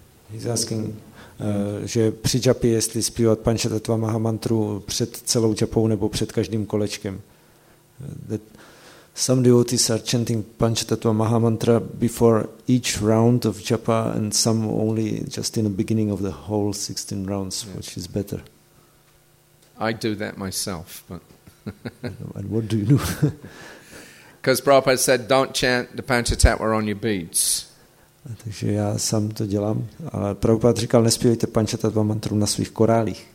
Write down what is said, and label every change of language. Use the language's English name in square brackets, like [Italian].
[English] He's asking, [Czech] že při japě, jestli zpívat Panchatattva Mahamantru před celou japou nebo před každým kolečkem. That [English] Some devotees are chanting Panchatattva Mahamantra before each round of japa and some only just in the beginning of the whole 16 rounds, yes. Which is better. I do that myself, but and what do you do? Because Prabhupada said, don't chant the Panchatattva on your beads. [Czech] Takže já sám to dělám. Ale Prabhupada říkal, nespívejte Panchatattva mantru na svých korálích.